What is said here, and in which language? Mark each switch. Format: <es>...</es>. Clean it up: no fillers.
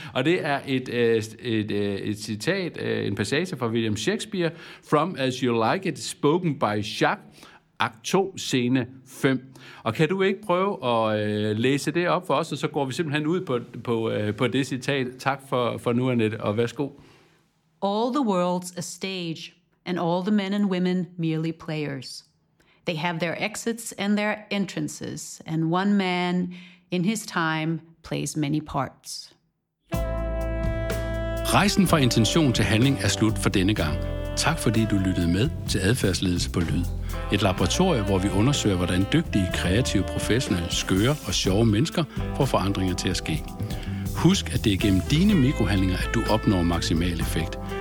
<da>Og det er et citat, en passage fra William Shakespeare, From As You Like It, Spoken by Jacques, Akt 2, scene 5. Og kan du ikke prøve at læse det op for os, og så går vi simpelthen ud på det citat. Tak for nu, Annette, og værsgo.</da> <en>All the world's a stage, and all the men and women merely players. They have their exits and their entrances, and one man in his time plays many parts.</en> <da>Rejsen fra intention til handling er slut for denne gang. Tak fordi du lyttede med til Adfærdsledelse på Lyd. Et laboratorium, hvor vi undersøger, hvordan dygtige, kreative, professionelle, skøre og sjove mennesker får forandringer til at ske. Husk, at det er gennem dine mikrohandlinger, at du opnår maksimal effekt.</da>